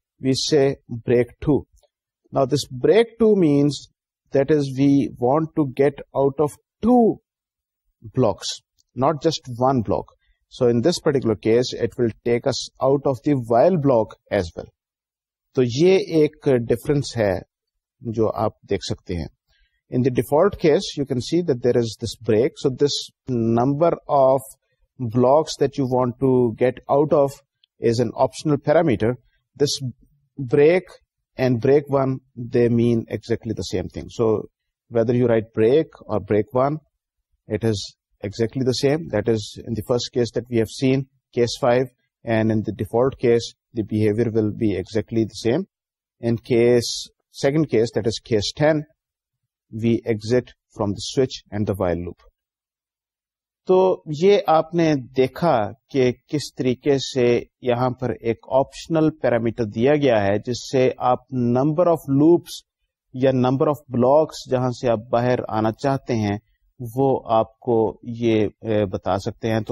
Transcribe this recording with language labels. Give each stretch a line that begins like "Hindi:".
English: We say break 2. Now this break 2 means that is we want to get out of 2 blocks, not just 1 block. So in this particular case, it will take us out of the while block as well.
Urdu: تو یہ ایک difference ہے جو آپ دیکھ سکتے ہیں.
English: In the default case, you can see that there is this break. So this number of blocks that you want to get out of is an optional parameter. This break and break one, they mean exactly the same thing. So whether you write break or break one, it is exactly the same. That is in the first case that we have seen, case 5, and in the default case, the behavior will be exactly the same. In case second case, that is case 10, we exit from the switch and the while loop.
Urdu: تو یہ آپ نے دیکھا کہ کس طریقے سے یہاں پر ایک آپشنل پیرامیٹر دیا گیا ہے جس سے آپ نمبر آف لوپس یا نمبر آف بلاکس جہاں سے آپ باہر آنا چاہتے ہیں وہ آپ کو یہ بتا سکتے ہیں.